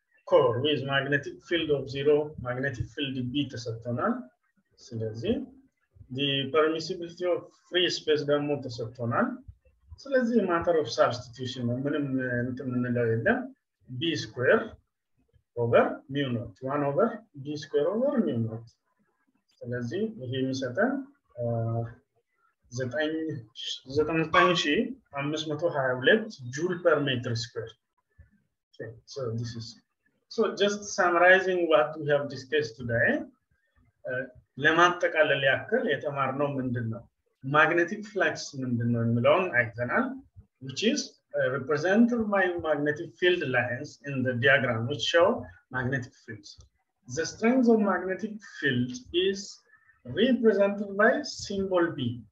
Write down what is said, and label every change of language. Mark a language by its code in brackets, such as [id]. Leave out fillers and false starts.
[en] core with magnetic field of 0 magnetic field b [am] ተሰጥቷል ስለዚህ [en] the permissivity of free space [am] ደግሞ ተሰጥቷል ስለዚህ [en] matter of substitution [am] ምንም እንትምንለው የለም [en] b square over mu not 1 over b square over mu not [am] ስለዚህ ይሄ የሚሰጠን [en] 95522 joule per meter square Okay, so this is, so just summarizing what we have discussed today. [am] ለማጠቃለል ያክል የተማርነው ምንድነው? [en] Magnetic flux [am] ምንድነው የሚለውን አይተናል, [en] which is represented by magnetic field lines in the diagram which show magnetic fields. The strength of magnetic field is represented by symbol B.